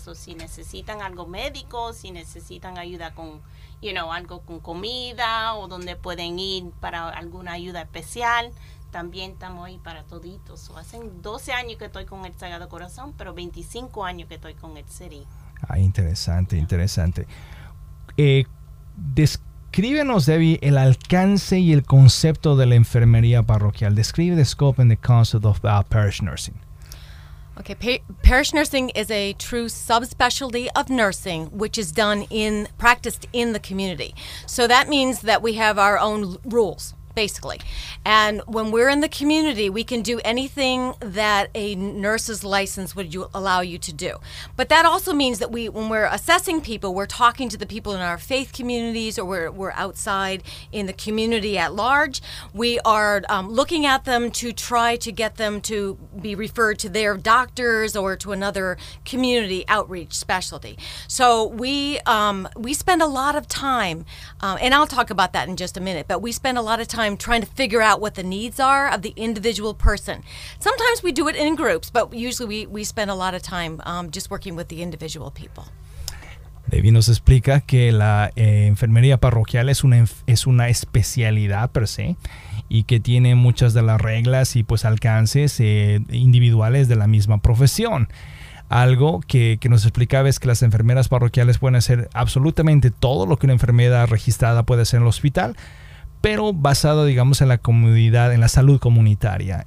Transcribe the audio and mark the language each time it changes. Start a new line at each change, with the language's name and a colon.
Spanish: So, si necesitan algo médico, si necesitan ayuda con,
English: you know,
Spanish: algo con comida, o donde pueden ir para alguna ayuda especial, también estamos ahí para toditos. So, hacen 12 años que estoy con el Sagrado Corazón, pero 25 años que estoy con el CERI. Ah, interesante, interesante. Descríbenos, Debbie, el alcance y el concepto de la enfermería parroquial.
English: Describe the scope and the concept of parish nursing. Okay, parish nursing is a true subspecialty of nursing, which is done in, practiced in the community. So that means that we have our own rules. basically. And when we're in the community, we can do anything that a nurse's license would allow you to do. But that also means that when we're assessing people, we're talking to the people in our faith communities, or we're outside in the community at large. We are looking at them to try to get them to be referred to their doctors or to another community outreach specialty. So we spend a lot of time, and I'll talk about that in just a minute, but we spend a lot of time trying to figure out what the needs are of the individual person. Sometimes we do it in groups, but usually we spend a lot of time just working with the individual people.
Spanish: David nos explica que la enfermería parroquial es una especialidad per se, y que tiene muchas de las reglas y pues alcances individuales de la misma profesión. Algo que nos explicaba es que las enfermeras parroquiales pueden hacer absolutamente todo lo que una enfermera registrada puede hacer en el hospital, pero basado, digamos, en la comunidad, en la salud comunitaria.